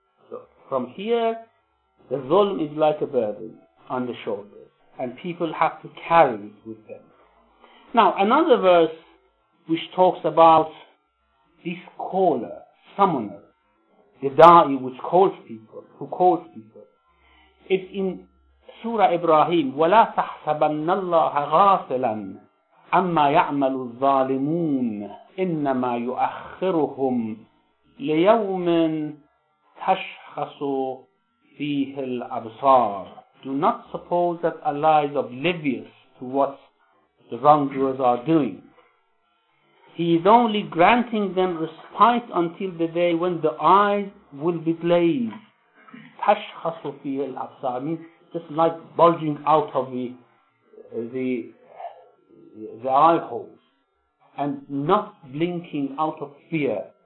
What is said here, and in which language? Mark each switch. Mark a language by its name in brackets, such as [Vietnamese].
[English] So from here, the zulm is like a burden on the shoulders, and people have to carry it with them. Now another verse which talks about this caller, summoner, the da'i which calls people, who calls people. It's in Surah Ibrahim, [Arabic] وَلَا تَحْسَبَنَّ اللَّهَ غَافِلًا أَمَّا يَعْمَلُ الظَّالِمُونَ إِنَّمَا يُؤَخِّرُهُمْ لِيَوْمٍ تَشْخَصُ فِيهِ الْأَبْصَارِ. [English] Do not suppose that Allah is oblivious to what the wrongdoers are doing. He is only granting them respite until the day when the eyes will be glazed. [Arabic] تَشْخَصُ فِيهِ الْأَبْصَارِ [English] means just like bulging out of the eye holes and not blinking out of fear.